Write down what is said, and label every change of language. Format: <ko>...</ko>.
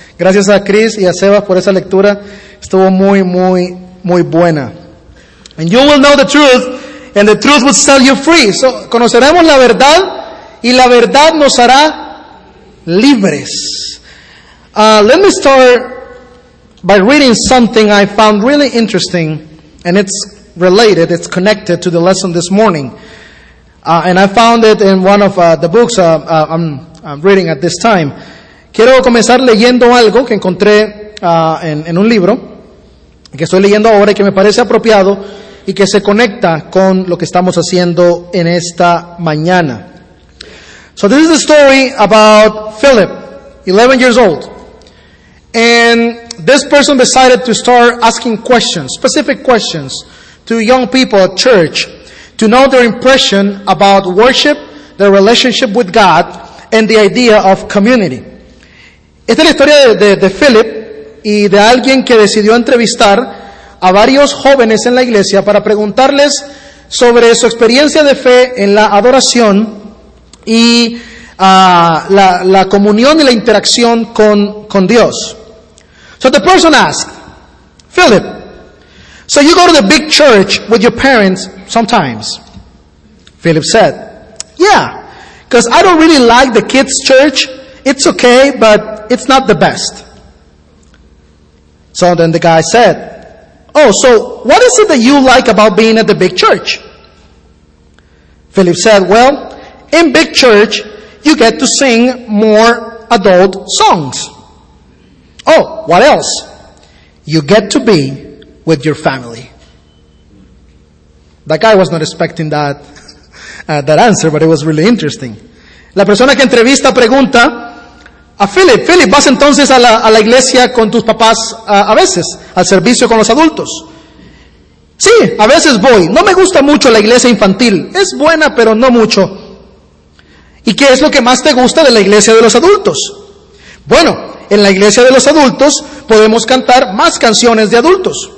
<es>Gracias a Chris y a Sebas por esa lectura. Estuvo muy, muy, muy buena.</es> <en>And you will know the truth, and the truth will set you free.</en> <es>So, conoceremos la verdad, y la verdad nos hará libres.</es> <en>Let me start by reading something I found really interesting, and it's related, it's connected to the lesson this morning. And I found it in one of the books I'm reading at this time.</en> <es>Quiero comenzar leyendo algo que encontré en un libro que estoy leyendo ahora y que me parece apropiado y que se conecta con lo que estamos haciendo en esta mañana.</es> <en>So this is a story about Philip, 11 years old. And this person decided to start asking questions, specific questions, to young people at church to know their impression about worship, their relationship with God, and the idea of community.</en> <es>Esta es la historia de Philip y de alguien que decidió entrevistar a varios jóvenes en la iglesia para preguntarles sobre su experiencia de fe en la adoración y la comunión y la interacción con Dios.</es> <en>So the person asked, Philip, so you go to the big church with your parents sometimes? Philip said, yeah, because I don't really like the kids' church. It's okay, but it's not the best. So then the guy said, oh, so what is it that you like about being at the big church? Philip said, well, in big church, you get to sing more adult songs. Oh, what else? You get to be with your family. That guy was not expecting that answer, but it was really interesting.</en> <es>La persona que entrevista pregunta a Philip, Philip, ¿vas entonces a la iglesia con tus papás a veces, al servicio con los adultos? Sí, a veces voy. No me gusta mucho la iglesia infantil. Es buena, pero no mucho. ¿Y qué es lo que más te gusta de la iglesia de los adultos? Bueno, en la iglesia de los adultos podemos cantar más canciones de adultos.</es>